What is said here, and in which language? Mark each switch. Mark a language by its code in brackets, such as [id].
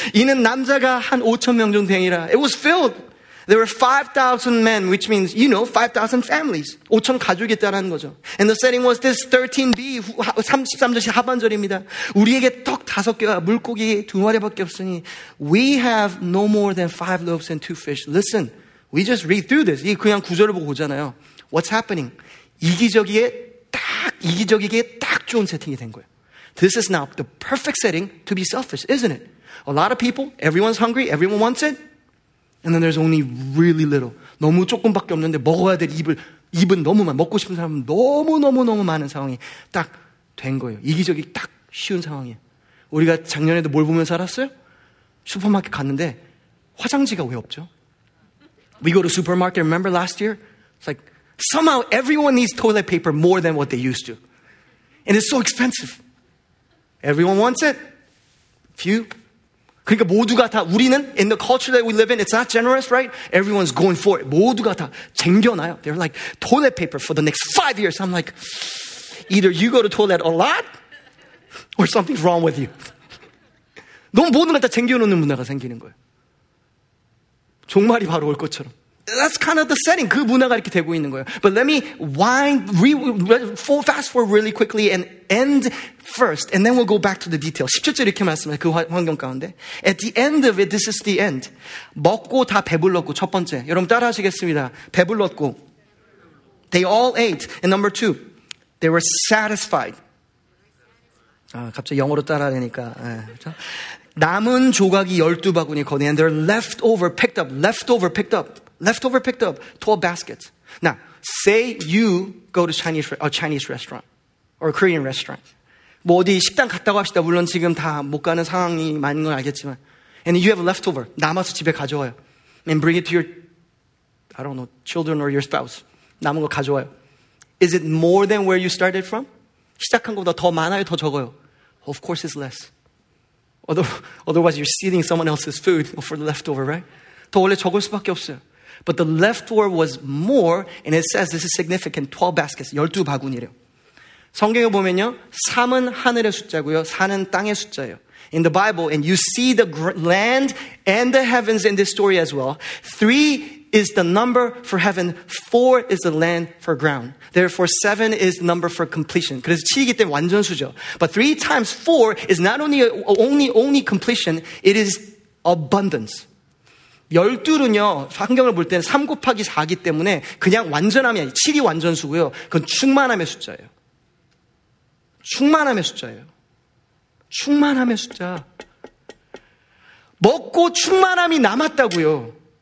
[ko] 이는 남자가 한 5,000명 정도 되니라. [en] It was filled. There were 5,000 men, which means, you know, 5,000 families. [ko] 5,000 가족이 있다라는 거죠. [en] And the setting was this 13b, [ko] 33절 하반절입니다. 우리에게 떡 다섯 개와 물고기 두 마리밖에 없으니 [en] We have no more than 5 loaves and 2 fish. Listen. We just read through this. [ko] 이 그냥 구절을 보고 보잖아요. [en] What's happening? [ko] 이기적이게 딱 좋은 세팅이 된 거예요. [en] This is now the perfect setting to be selfish, isn't it? A lot of people, everyone's hungry, everyone wants it. And then there's only really little. [ko] 너무 조금밖에 없는데 먹어야 될 입은 너무 많아. 먹고 싶은 사람은 너무 많은 상황이 딱 된 거예요. 이기적이 딱 쉬운 상황이에요. 우리가 작년에도 뭘 보면서 알았어요? 슈퍼마켓 갔는데 화장지가 왜 없죠? [en] We go to supermarket, remember last year? It's like, somehow everyone needs toilet paper more than what they used to. And it's so expensive. Everyone wants it. Few. [ko] 그러니까 모두가 다, 우리는, [en] in the culture that we live in, it's not generous, right? Everyone's going for it. [ko] 모두가 다 쟁겨놔요. [en] They're like, toilet paper for the next 5 years. I'm like, either you go to toilet a lot, or something's wrong with you. [ko] 너무 모두가 다 쟁겨놓는 문화가 생기는 거예요. 종말이 바로 올 것처럼. [en] That's kind of the setting. [ko] 그 문화가 이렇게 되고 있는 거예요. [en] But let me fast forward really quickly and end first. And then we'll go back to the details. [ko] 17절 이렇게 말씀해요. 그 환경 가운데. [en] At the end of it, this is the end. [ko] 먹고 다 배불렀고, 첫 번째. 여러분 따라 하시겠습니다. 배불렀고. [en] They all ate. And number two, they were satisfied. [ko] 아, 갑자기 영어로 따라 하니까. 네, 그렇죠? 남은 조각이 열두 바구니 거니 [en] and they're leftover picked up 12 baskets. Now, say you go to a Chinese restaurant or a Korean restaurant. [ko] 뭐 어디 식당 갔다고 합시다. 물론 지금 다 못 가는 상황이 많은 건 알겠지만 [en] and you have a leftover. [ko] 남아서 집에 가져와요. [en] And bring it to your I don't know, children or your spouse. [ko] 남은 거 가져와요. [en] Is it more than where you started from? [ko] 시작한 것보다 더 많아요, 더 적어요? [en] Of course it's less. Otherwise, you're stealing someone else's food for the leftover, right? [ko] 더 원래 적을 수밖에 없어요. [en] But the leftover was more, and it says this is significant, 12 baskets, [ko] 12 바구니래요. 성경에 보면요, 3은 하늘의 숫자고요, 4는 땅의 숫자예요. [en] In the Bible, and you see the land and the heavens in this story as well, 3 is the number for heaven. Four is the land for ground. Therefore, seven is the number for completion. [ko] 그래서 7이기 때문에 완전수죠. [en] But three times four is not only completion, it is abundance. [ko] 열둘은요, 성경을 볼 때는 3 곱하기 4이기 때문에 그냥 완전함이 아니에요. 7이 완전수고요. 그건 충만함의 숫자예요. 충만함의 숫자예요. 충만함의 숫자. 먹고 충만함이 남았다고요.